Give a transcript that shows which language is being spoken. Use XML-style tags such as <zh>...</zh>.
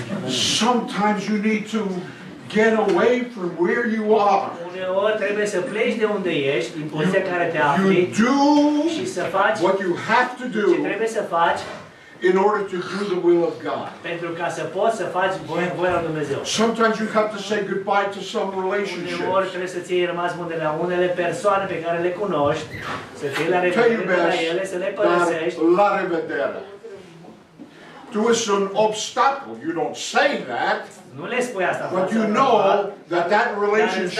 <en>Sometimes you need to get away from where you are.</en> <ro>Uneori trebuie să pleci de unde ești, din poziția care te afli.</ro> <en>You do</en> <ro>și să faci</ro> <en>what you have to do.</en> <ro>Ce trebuie să faci?</ro> <en>in order to do the will of God.</en> <ro>Pentru ca să poți să faci voia lui Dumnezeu.</ro> <en>Sometimes you have to say goodbye to some relationships.</en> <ro>Uneori trebuie să ții rămas bun de la unele persoane pe care le cunoști, să fii la revedere la ele, să le părăsești. La revedere. Tu ești un obstacol.</ro> <en>You don't say that.</en> <ro>Nu le spui asta.</ro> <en>But you know that that relationship.</en>